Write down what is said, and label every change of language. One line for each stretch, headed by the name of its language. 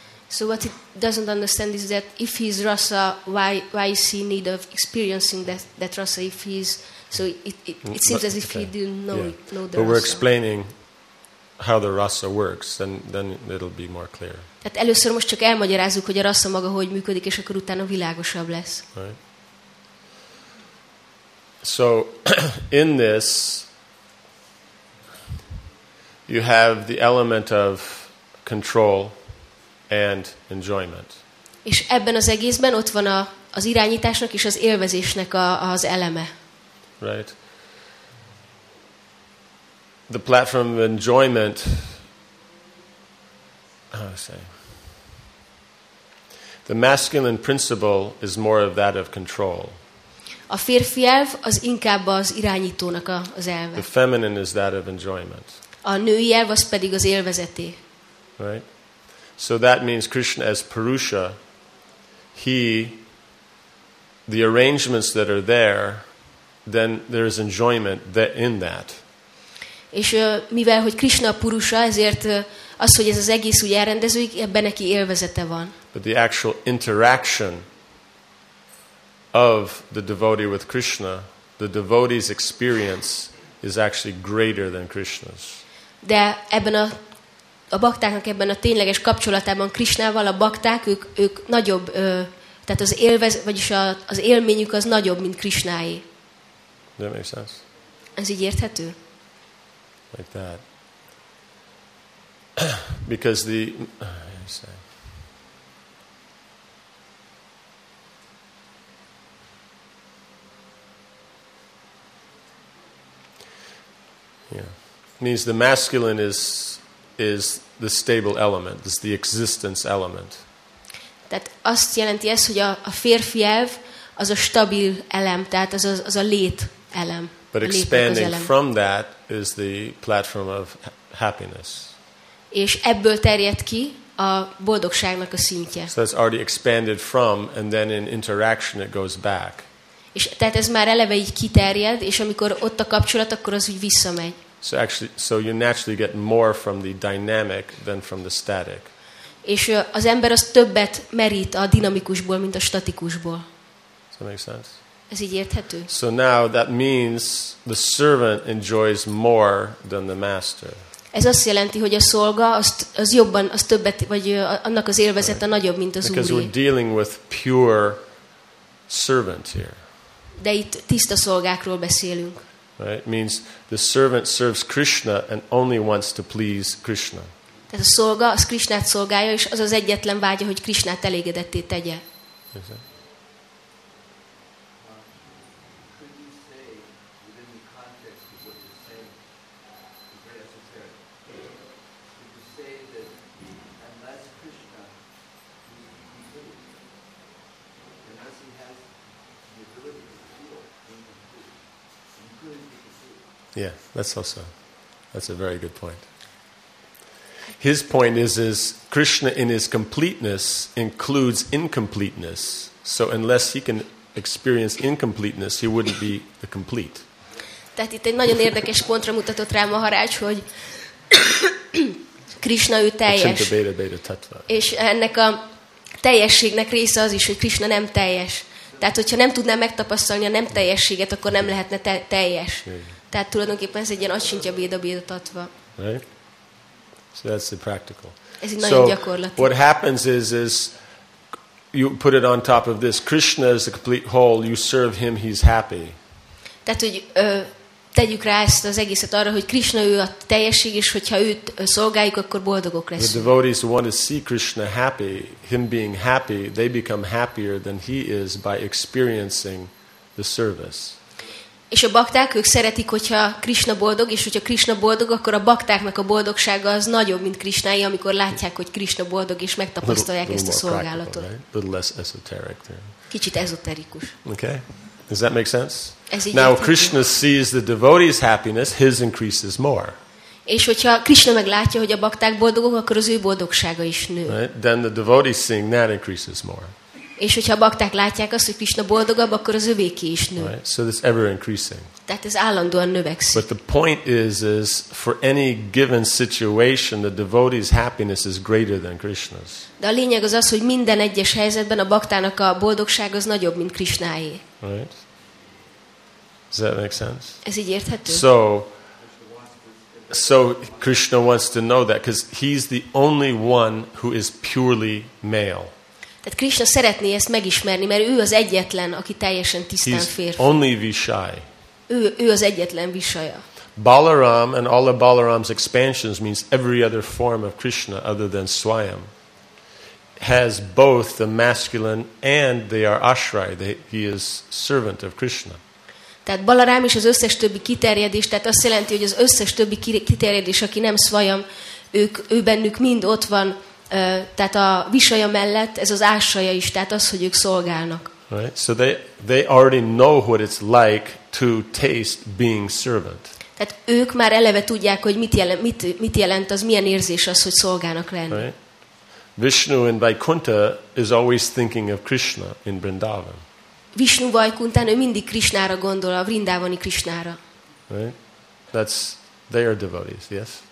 English: So what he doesn't understand is that if he's rasa, why is he in need of experiencing that rasa? If he's so, it seems as if okay. He didn't know yeah. know the rasa. We're explaining how the rasa works, and then it'll be more clear.
Hungarian: Tehát először most csak elmagyarázzuk, hogy a rasa maga hogy működik, és akkor utána világosabb lesz.
English: Right. So in this, you have the element of control. and enjoyment.
Hungarian: És ebben az egészben ott van az irányításnak és az élvezésnek az eleme.
English: Right. The platform of enjoyment. How do I say? The masculine principle is more of that of control.
Hungarian: A férfi elv az inkább az irányítónak az elve.
English: The feminine is that of enjoyment.
Hungarian: A női elv az pedig az élvezeté.
English: Right. So that means Krishna as Purusha, he, the arrangements that are there, then there is enjoyment that in that.
Hungarian: És mivel hogy Krishna Purusha, ezért az, hogy ez az egész úgy elrendeződik, ebben neki élvezete van.
English: But the actual interaction of the devotee with Krishna, the devotee's experience is actually greater than Krishna's.
Hungarian: De ebben a baktáknak ebben a tényleges kapcsolatában Krishnával a bakták ők nagyobb, tehát az élvez, vagyis az élményük az nagyobb, mint Krishnáé.
English: That makes sense.
Hungarian: Ez így érthető?
English: Like that. Because the means the masculine is the stable element, is the existence element.
Hungarian: Tehát azt jelenti ez, hogy a férfi elv az a stabil elem, tehát az a lét elem.
English: But expanding from that is the platform of happiness.
Hungarian: És ebből terjed ki a boldogságnak a szintje.
English: So that's already expanded from, and then in interaction it goes back.
Hungarian: És tehát ez már eleve így kiterjed, és amikor ott a kapcsolat, akkor az úgy visszamegy.
English: So actually, so you naturally get more from the dynamic than from the static.
Hungarian: És az ember az többet merít a dinamikusból, mint a statikusból.
English: Does that make sense?
Hungarian: Ez így érthető.
English: So now that means the servant enjoys more than the master.
Hungarian: Ez azt jelenti, hogy a szolga az jobban, az többet, vagy annak az élvezete nagyobb, mint az úré.
English: Because we're dealing with pure servant here.
Hungarian: De itt tiszta szolgákról beszélünk.
English: Right, means the servant serves Krishna and only wants to please Krishna.
Hungarian: Tehát a szolga az Krishnát szolgálja, és az egyetlen vágya, hogy Krishnát elégedetté tegye.
English: Yeah, that's a very good point. His point is Krishna in his completeness includes incompleteness. So unless he can experience incompleteness, he wouldn't be the complete.
Hungarian: Tehát itt egy nagyon érdekes pontra mutatott rá Maharaj, hogy Krishna ő teljes. És ennek a teljességnek része az is, hogy Krishna nem teljes. Tehát hogyha nem tudná megtapasztalni a nem teljességet, akkor nem lehetne teljes. Tehát tulajdonképpen ez egy ilyen acsintja béda-béda tatva.
English: Right? So that's the practical.
Hungarian: Ez egy nagyon gyakorlati.
English: So what happens is you put it on top of this. Krishna is the complete whole. You serve him, he's happy.
Hungarian: Tehát, hogy tegyük rá ezt az egészet arra, hogy Krishna ő a teljesség, és hogyha őt szolgáljuk, akkor boldogok leszünk.
English: The devotees who want to see Krishna happy, him being happy, they become happier than he is by experiencing the service.
Hungarian: És a bakták, ők szeretik, hogyha Krishna boldog, és hogyha Krishna boldog, akkor a baktáknak a boldogsága az nagyobb, mint Krishnáé, amikor látják, hogy Krishna boldog, és megtapasztalják ezt a szolgálatot.
English: Right? Less esoteric.
Hungarian: Kicsit ezoterikus.
English: Okay. Does that make sense?
Hungarian: Ez így
English: Now, Krishna sees the devotee's happiness, his increases more.
Hungarian: És hogyha Krishna meglátja, hogy a bakták boldogok, akkor az ő boldogsága is nő.
English: Right? Then the devotee seeing that increases more.
Hungarian: És hogyha a bakták látják azt, hogy Krishna boldogabb, akkor az övéké is nő.
English: Right. So it's ever increasing.
Hungarian: Tehát ez állandóan növekszik.
English: But the point is for any given situation, the devotee's happiness is greater than Krishna's.
Hungarian: De a lényeg az, hogy minden egyes helyzetben a baktának a boldogság az nagyobb, mint Krishnáé.
English: Right. Does that make sense?
Hungarian: Ez így érthető?
English: So Krishna wants to know that, because he's the only one who is purely male.
Hungarian: Tehát Krishna szeretné ezt megismerni, mert ő az egyetlen, aki teljesen tisztán
English: He's
Hungarian: férfi.
English: Only Vishai.
Hungarian: Ő az egyetlen Vishaya.
English: Balaram and all of Balaram's expansions means every other form of Krishna other than Swayam. has both the masculine and the ashray, he is servant of Krishna.
Hungarian: Tehát Balarám is az összes többi kiterjedés, tehát azt jelenti, hogy az összes többi kiterjedés, aki nem svajam, ő bennük mind ott van, tehát a visaja mellett ez az ásaja is, tehát az, hogy ők szolgálnak.
English: Right? So they already know what it's like to taste being servant.
Hungarian: Tehát ők már eleve tudják, hogy mit jelent az, milyen érzés az, hogy szolgának lenni.
English: Right? Vishnu in Vaikuntha is always thinking of Krishna in Vrindavan.
Hungarian: Vishnu Vaikunthán ő mindig Krishnára gondol, a vrindávani Krishnára.
English: Right? That's their devotees, yes?